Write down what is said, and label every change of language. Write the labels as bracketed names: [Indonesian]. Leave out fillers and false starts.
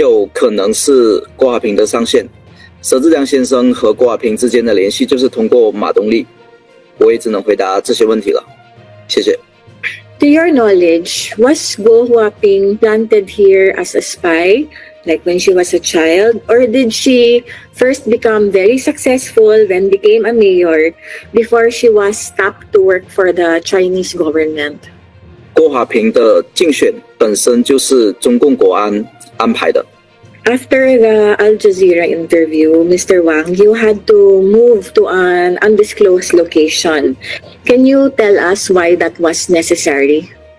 [Chinese] 这个人叫马东利，他是中共的党员，他是佘志良先生的国安联络人，是红二代的身份。当然，他也有一个美国的身份，还有他是泰国华人协会的副会长。他在佘志良先生被非法诱捕之前，是亚太排名第三的高层，他很有可能是郭华平的上线。佘志良先生和郭华平之间的联系就是通过马东利，我也只能回答这些问题了，谢谢。 [English] To your knowledge, was Guo Huaping planted here as a spy, like when she was a child, or did she first become very successful, then became a mayor, before she was tapped to work for the Chinese government? [Chinese] 郭华平的竞选本身就是中共国安安排的。 [English] After the Al Jazeera interview, Mr. Wang, you had to move to an undisclosed location. Can you tell us why that was necessary?